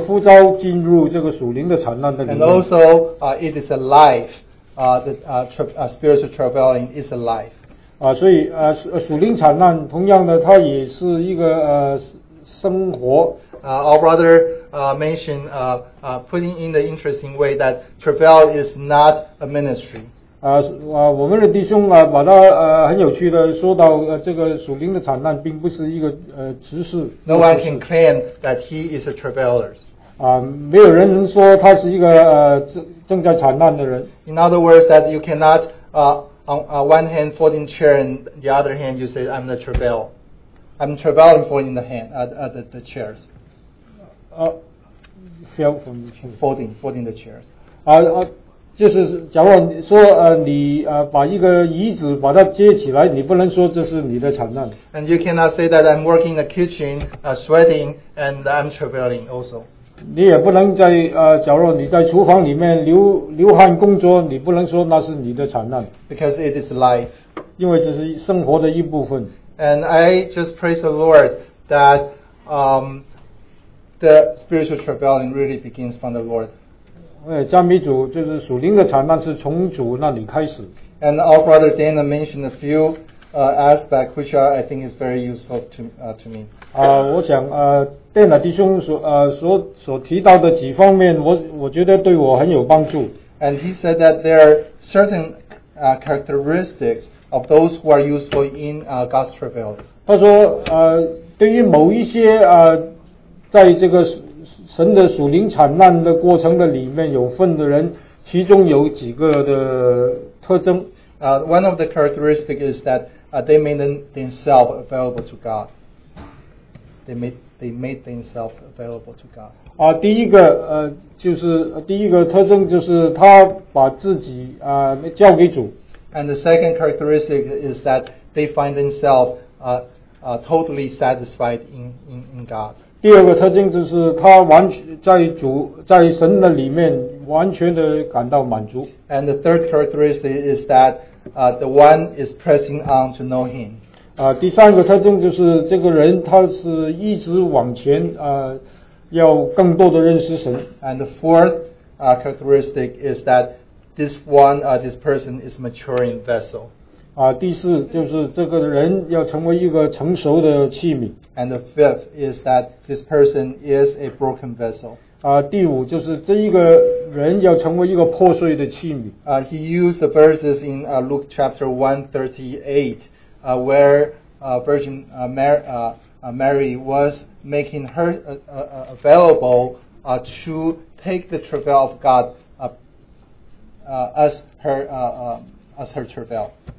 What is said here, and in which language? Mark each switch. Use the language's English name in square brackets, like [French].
[Chinese] 所以这个对每一个神的儿女来说，也是一个呼召进入这个属灵的惨难的里面。 [English] And also, it is a life. Spiritual traveling is a life. [Chinese] 所以属灵惨难，同样的，它也是一个生活。 [English] Our brother mentioned putting in the interesting way that travail is not a ministry. [Chinese] 我们的弟兄把他很有趣的说到这个属灵的惨难并不是一个执事。 [English] No one can claim that he is a traveler. [Chinese] 没有人能说他是一个正在惨难的人。 [English] In other words, that you cannot on one hand folding chair and the other hand you say I'm the travail. I'm traveling folding the hand the chairs. Folding the chairs. [Chinese] 就是假如说你把一个椅子把它接起来，你不能说这是你的惨难。 [English] And you cannot say that I'm working in the kitchen, sweating, and I'm traveling also. [Chinese] 你也不能在假如你在厨房里面流汗工作，你不能说那是你的惨难。 [English] Because it is life. [Chinese] 因为这是生活的一部分。 [English] And I just praise the Lord that the spiritual traveling really begins from the Lord. [Chinese] 赞美主，就是属灵的惨难是从主那里开始。 [English] And our brother Dana mentioned a few aspects which are, I think is very useful to me. [Chinese] 我想Dana弟兄所提到的几方面，我觉得对我很有帮助。 [English] And he said that there are certain characteristics of those who are useful in God's travail. [Chinese] 他说对于某一些在这个神的属灵惨难的过程的里面有份的人，其中有几个的特征。 [English] One of the characteristics is that they made themselves available to God. They made themselves available to God. [Chinese] 第一个特征就是他把自己交给主。 [English] And the second characteristic is that they find themselves totally satisfied in God. [Chinese] 第二个特征就是他完全在主在神的里面完全的感到满足。 [English] And the third characteristic is that the one is pressing on to know him. [Chinese] 第三个特征就是这个人他是一直往前要更多的认识神。 [English] And the fourth characteristic is that this person is a maturing vessel. [Chinese] 第四就是这个人要成为一个成熟的器皿。 [English] And the fifth is that this person is a broken vessel. [Chinese] 第五就是这一个人要成为一个破碎的器皿。 [English] He used the verses in Luke chapter 138, where Virgin Mary was making her available to take the travail of God as her travail.